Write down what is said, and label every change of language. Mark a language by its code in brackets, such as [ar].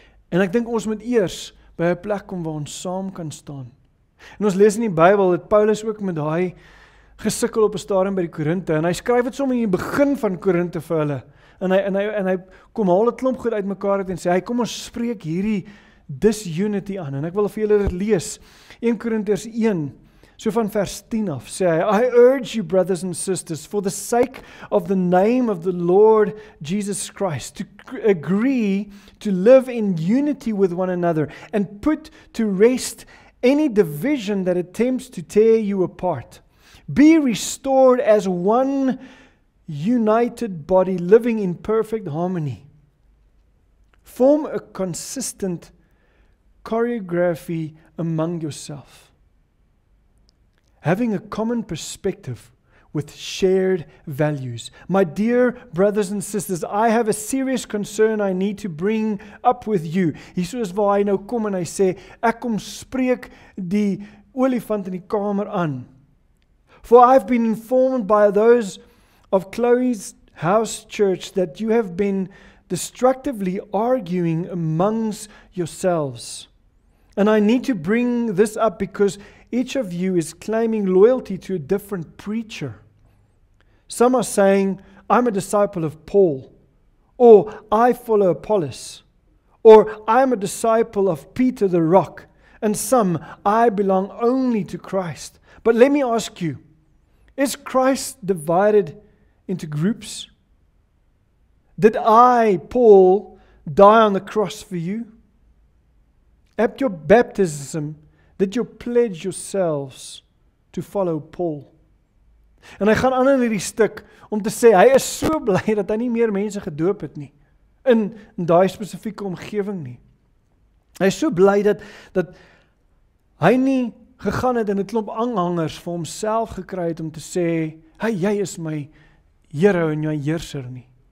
[af] En ek dink ons moet eers by 'n plek kom waar ons saam kan staan. En ons lees in die Bybel, het Paulus ook met daai gesukkel op 'n stadium by die Korinte, en hy skryf dit sommer in die begin van Korinte vir hulle, En hy kom haal 'n klomp goed uit mekaar uit en sê, hy kom ons spreek hierdie disunity aan. En ek wil vir julle dit lees. 1 Korintiërs 1, so van vers 10 af, sê hy, [en] I urge you brothers and sisters, for the sake of the name of the Lord Jesus Christ, to agree to live in unity with one another, and put to rest any division that attempts to tear you apart. Be restored as one united body living in perfect harmony. Form a consistent choreography among yourself, having a common perspective with shared values. My dear brothers and sisters, I have a serious concern I need to bring up with you. [af] Hierso is waar hy nou kom en hy sê, ek kom spreek die olifant in die kamer aan. [en] For I've been informed by those of Chloe's house church that you have been destructively arguing amongst yourselves. And I need to bring this up because each of you is claiming loyalty to a different preacher. Some are saying, I'm a disciple of Paul, or I follow Apollos, or I'm a disciple of Peter the Rock, and some, I belong only to Christ. But let me ask you, Is Christ divided into groups? Did I, Paul, die on the cross for you? At your baptism, did you pledge yourselves to follow Paul? [af] En hy gaan aan in hierdie stuk om te sê, hy is so bly dat hy nie meer mense gedoop het nie, in die spesifieke omgeving nie. Hy is so bly dat hy nie gegaan het en het klomp aanhangers vir homself gekry het om te sê, hey, jy is my Here en jou heerser nie.